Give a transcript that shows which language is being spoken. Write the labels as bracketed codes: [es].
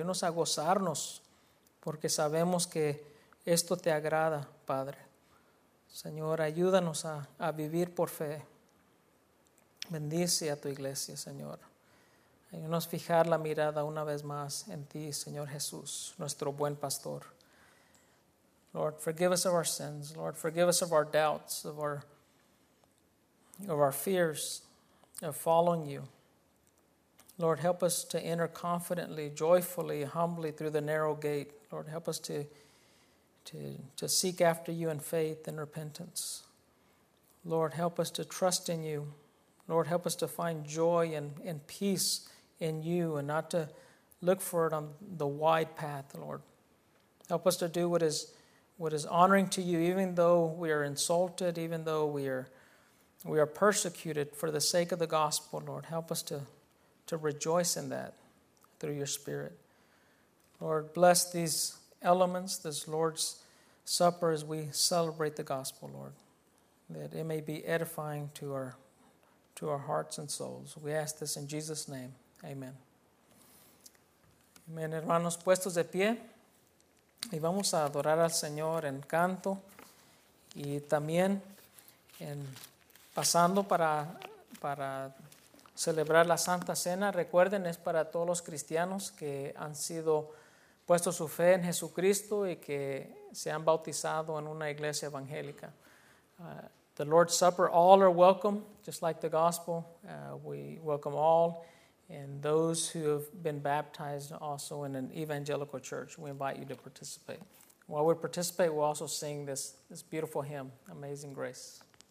[es] Ayúdanos a gozarnos porque sabemos que esto te agrada, Padre. Señor, ayúdanos a vivir por fe. Bendice a tu iglesia, Señor. Ayúdanos a fijar la mirada una vez más en ti, Señor Jesús, nuestro buen pastor. [en] Lord, forgive us of our sins. Lord, forgive us of our doubts, of our fears of following you. Lord, help us to enter confidently, joyfully, humbly through the narrow gate. Lord, help us to seek after you in faith and repentance. Lord, help us to trust in you. Lord, help us to find joy and peace in you and not to look for it on the wide path, Lord. Help us to do what is honoring to you, even though we are insulted, even though we are persecuted for the sake of the gospel, Lord. Help us to rejoice in that through your Spirit. Lord, bless these elements, this Lord's Supper, as we celebrate the gospel, Lord, that it may be edifying to our hearts and souls. We ask this in Jesus' name. Amen. [es] Amen, hermanos, puestos de pie. Y vamos a adorar al Señor en canto y también en pasando para celebrar la Santa Cena. Recuerden, es para todos los cristianos que han sido puesto su fe en Jesucristo y que se han bautizado en una iglesia evangélica. [en] The Lord's Supper, all are welcome, just like the gospel. We welcome all. And those who have been baptized also in an evangelical church, we invite you to participate. While we participate, we'll also sing this beautiful hymn, Amazing Grace.